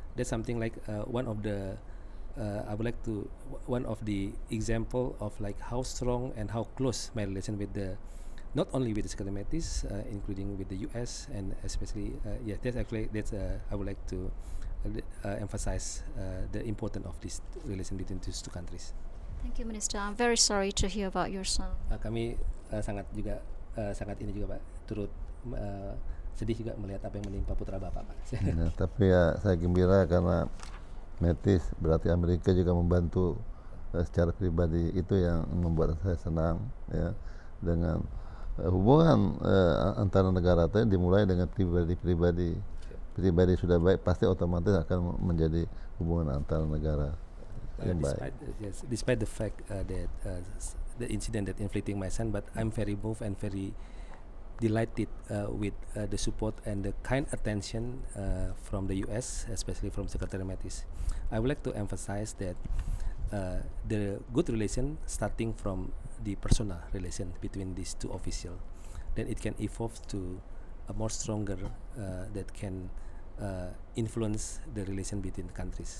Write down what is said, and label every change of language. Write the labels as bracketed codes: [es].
[en] That's something like one of the I would like to one of the example of like how strong and how close my relation with the not only with the Secretary Mattis including with the US and especially yeah that's actually that's I would like to emphasize the importance of this relation between these two countries. Thank you, Minister. I'm very sorry to hear about your son. [id] Kami sangat juga sangat ini juga, Pak, turut sedih juga melihat apa yang menimpa putra Bapak, Pak. Nah, tapi ya saya gembira karena Mattis, berarti Amerika juga membantu secara pribadi, itu yang membuat saya senang, ya, dengan hubungan antara negara itu dimulai dengan pribadi-pribadi. Pribadi sudah baik, pasti otomatis akan menjadi hubungan antara negara yang baik. [en] Despite the fact that the incident that inflicting my son, but I'm very moved and very delighted with the support and the kind attention from the US, especially from Secretary Mattis. I would like to emphasize that the good relation starting from the personal relation between these two officials, then it can evolve to a more stronger that can influence the relation between the countries.